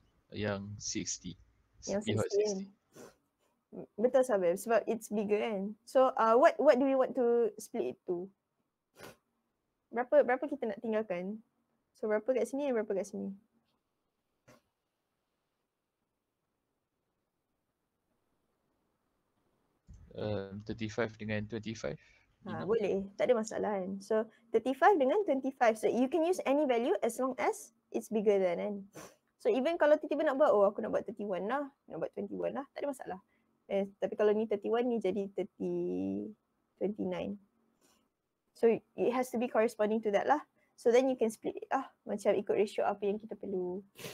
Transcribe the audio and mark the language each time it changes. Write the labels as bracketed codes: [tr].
[ms] Yang 60. Yang 60. Betul sahabat, sebab [en] it's bigger [ms] kan. [en] So what do we want to split it to? [ms] Berapa kita nak tinggalkan? [en] So [ms] berapa kat sini dan berapa kat sini? Um, 35 dengan 25. Boleh, tak ada masalah kan. [en] So 35 dengan 25, so you can use any value as long as it's bigger than n. [ms] So even kalau tiba-tiba nak buat, oh aku nak buat 31 lah, nak buat 21 lah, tak ada masalah. Tapi kalau ni 31, ni jadi 29. [en] So it has to be corresponding to that lah. So then you can split it lah, [ms] macam ikut ratio apa yang kita perlu.